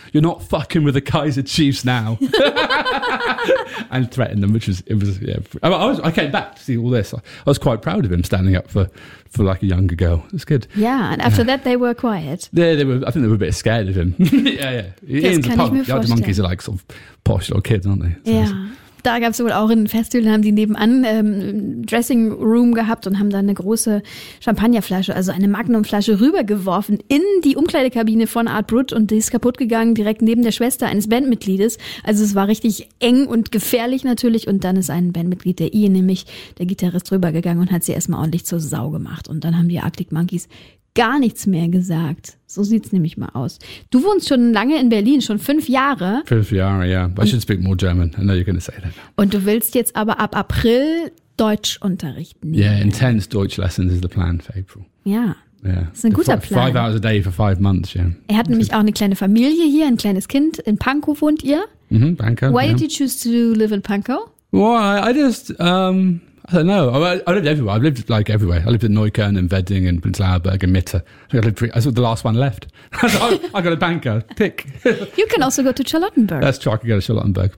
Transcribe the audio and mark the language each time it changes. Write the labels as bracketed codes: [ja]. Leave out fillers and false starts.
[en] You're not fucking with the Kaiser Chiefs now. And threatened them, I came back to see all this. I was quite proud of him standing up for like a younger girl. It's good. Yeah, and after that they were quiet. Yeah, they were. I think they were a bit scared of him. Yeah, yeah. The Monkeys are like sort of posh little kids, aren't they? So yeah. [de] Da gab es wohl auch ein Festival, haben die nebenan Dressing Room gehabt und haben da eine große Champagnerflasche, also eine Magnumflasche, rübergeworfen in die Umkleidekabine von Art Brut und die ist kaputt gegangen, direkt neben der Schwester eines Bandmitgliedes. Also es war richtig eng und gefährlich natürlich und dann ist ein Bandmitglied, der Ian nämlich, der Gitarrist, rübergegangen und hat sie erstmal ordentlich zur Sau gemacht und dann haben die Arctic Monkeys gar nichts mehr gesagt. So sieht's nämlich mal aus. Du wohnst schon lange in Berlin, schon 5 Jahre. 5 Jahre, [en] yeah. But I should speak more German. I know you're going to say that. [de] Und du willst jetzt aber ab April Deutsch unterrichten. [en] Yeah, intense Deutsch lessons is the plan for April. Yeah. Yeah. [de] Das ist ein guter Plan. [en] 5 hours a day for 5 months, yeah. [de] Er hat nämlich auch eine kleine Familie hier, ein kleines Kind. In Pankow wohnt ihr? Mm-hmm, Pankow. [en] Why did you choose to live in Pankow? Well, I don't know. I lived everywhere. I've lived like everywhere. I lived in Neukölln and Wedding and Prenzlauer and Mitte. I saw the last one left. I got a Pankow. Pick. You can also go to Charlottenburg. That's true. I could go to Charlottenburg.